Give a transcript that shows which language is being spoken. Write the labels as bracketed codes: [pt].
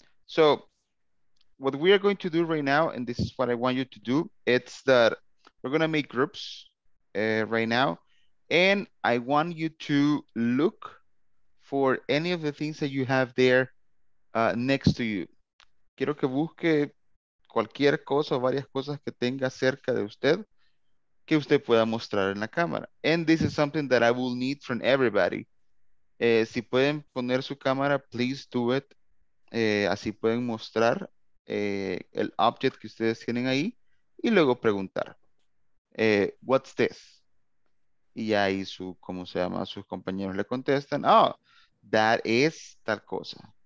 [en] So, what we are going to do right now, and this is what I want you to do, it's that we're going to make groups right now, and I want you to look for any of the things that you have there next to you. [es] Quiero que busque cualquier cosa o varias cosas que tenga cerca de usted que usted pueda mostrar en la cámara. [en] And this is something that I will need from everybody. [es] Si pueden poner su cámara, [en] please do it. [es] Así pueden mostrar el object que ustedes tienen ahí y luego preguntar, [en] what's this? [es] Y ahí su, ¿cómo se llama? Sus compañeros le contestan, [en] oh, that is [es] tal cosa.